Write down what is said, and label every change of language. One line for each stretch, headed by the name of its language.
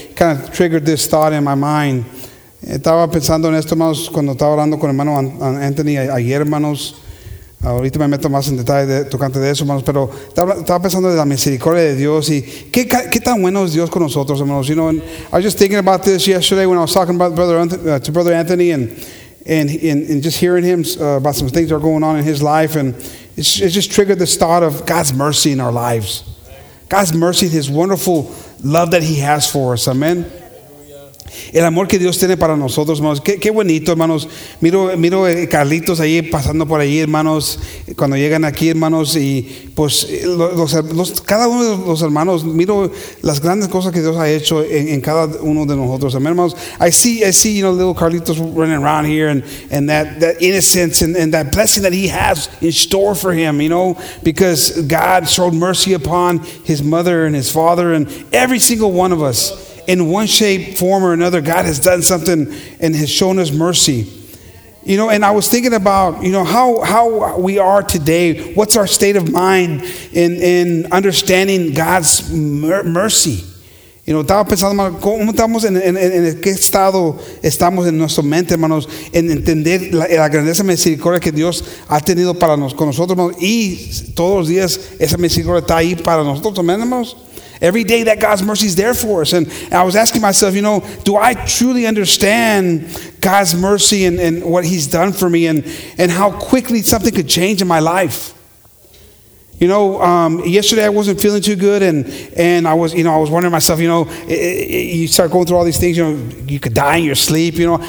English: Kind of triggered this thought in my mind.
Spanish: Estaba pensando en esto, hermanos, cuando estaba hablando con hermano Anthony ayer, hermanos. Ahorita me meto más en detalle tocante de eso, hermanos. Pero estaba pensando de la misericordia de Dios y qué tan bueno es Dios con nosotros, hermanos.
English: You know, and I was just thinking about this yesterday when I was talking about Brother Anthony and just hearing him about some things that are going on in his life. And it just triggered this thought of God's mercy in our lives. God's mercy, his wonderful love that he has for us. Amen.
Spanish: El amor que Dios tiene para nosotros, hermanos. Qué bonito, hermanos. Miro Carlitos ahí pasando por ahí, hermanos. Cuando llegan aquí, hermanos. Y pues cada uno de los hermanos, miro las grandes cosas que Dios ha hecho en cada uno de nosotros. Amen, hermanos.
English: I see, you know, little Carlitos running around here and that innocence and that blessing that he has in store for him, you know, because God showed mercy upon his mother and his father and every single one of us. In one shape, form, or another, God has done something and has shown us mercy. You know, and I was thinking about, you know, how we are today. What's our state of mind in understanding God's mercy? You know,
Spanish: estaba pensando, ¿cómo estamos en qué estado estamos en nuestra mente, hermanos? En entender la grandeza misericordia que Dios ha tenido para con nosotros, hermanos. Y todos los días esa misericordia está ahí para nosotros, hermanos.
English: Every day that God's mercy is there for us. And I was asking myself, you know, do I truly understand God's mercy and what he's done for me and how quickly something could change in my life? You know, yesterday I wasn't feeling too good and I was, you know, I was wondering myself, you know, you start going through all these things, you know, you could die in your sleep, you know.